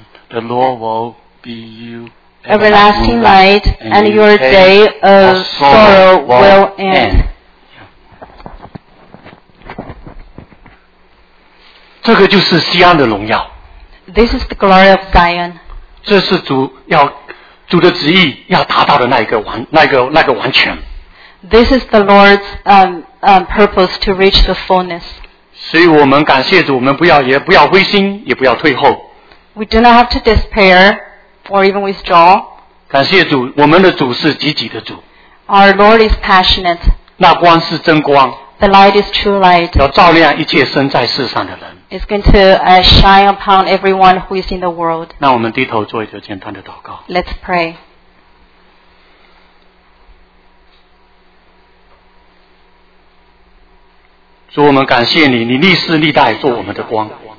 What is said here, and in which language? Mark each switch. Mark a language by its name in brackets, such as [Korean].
[English] The Lord will be you everlasting light, and your day of sorrow will end. [Chinese] 这个就是西安的荣耀。 [English] This is the glory of Zion. [Chinese] 这是主要 主的旨意要达到的那一个完全。 [English] This is the Lord's purpose to reach the fullness. [Chinese] 所以我们感谢主，我们不要灰心，也不要退后。 [English] We do not have to despair or even withdraw. [Chinese] 感谢主，我们的主是积极的主。 [English] Our Lord is passionate. [Chinese] 那光是真光。 [English] The light is true light. [Chinese] 要照亮一切身在世上的人。 [English] It's going to shine upon everyone who is in the world. [Chinese] 那我们低头做一个简单的祷告。 [English] Let's pray. [Chinese] 主，我们感谢你， 你历世历代做我们的光。